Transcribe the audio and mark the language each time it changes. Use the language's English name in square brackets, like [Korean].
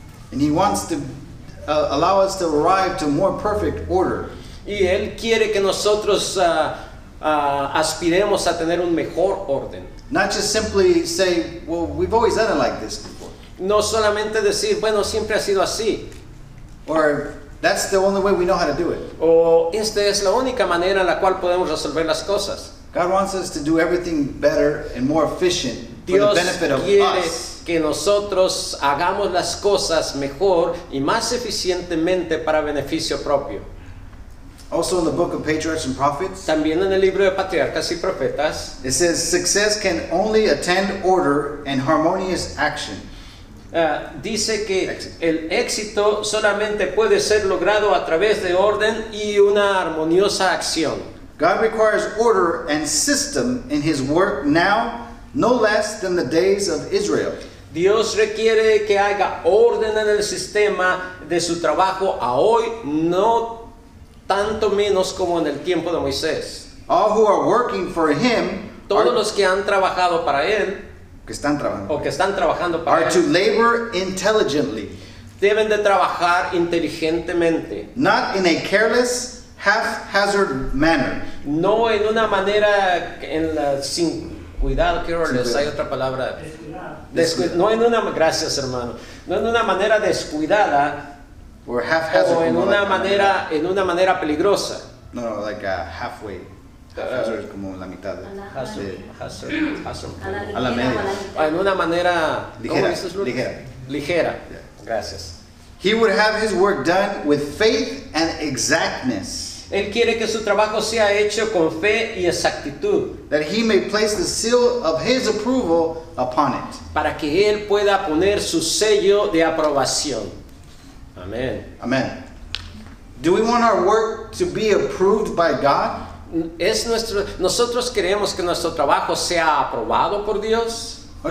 [English] And He wants to allow us to arrive to more perfect order. [Spanish] Y Él quiere que nosotros aspiremos a tener un mejor orden. [English] Not just simply say, well, we've always done it like this before. [Spanish] No solamente decir, bueno, siempre ha sido así. [English] Or that's the only way we know how to do it. [Spanish] O esta es la única manera en la cual podemos resolver las cosas. [English] God wants us to do everything better and more efficient [Spanish] Dios [English] for the benefit of us. [Spanish] Dios quiere que nosotros hagamos las cosas mejor y más eficientemente para beneficio propio. [English] Also in the book of Patriarchs and Prophets, [Spanish] también en el libro de Patriarcas y Profetas, [English] it says success can only attend order and harmonious action. [Spanish] Dice que el éxito solamente puede ser logrado a través de orden y una armoniosa acción. [English] God requires order and system in His work now, no less than the days of Israel. [Spanish] Dios requiere que haya orden en el sistema de su trabajo a hoy, no tanto menos como en el tiempo de Moisés. [English] All who are working for Him, [Spanish] todos los que han trabajado para Él, que están trabajando, o que están trabajando para, [English] are to labor intelligently, [Spanish] deben de trabajar inteligentemente, [English] not in a careless, haphazard manner, [Spanish] no en una manera en la, sin cuidado, careless, hay otra palabra, descuidada. No en una, gracias hermano, no en una manera descuidada, [English] or haphazard, [Spanish] o en una like manera, en una manera peligrosa, [English] no, no, like a halfway. [Spanish] Hazard es como la mitad. Hazard. A la media. En una manera ligera. Ligera. Yeah. Gracias. [English] He would have his work done with faith and exactness. [Spanish] Él quiere que su trabajo sea hecho con fe y exactitud. [English] That he may place the seal of his approval upon it. [Spanish] Para que él pueda poner su sello de aprobación. Amén. Amén. [English] Do we want our work to be approved by God? [Spanish] Es nuestro, nosotros queremos que nuestro trabajo sea aprobado por Dios.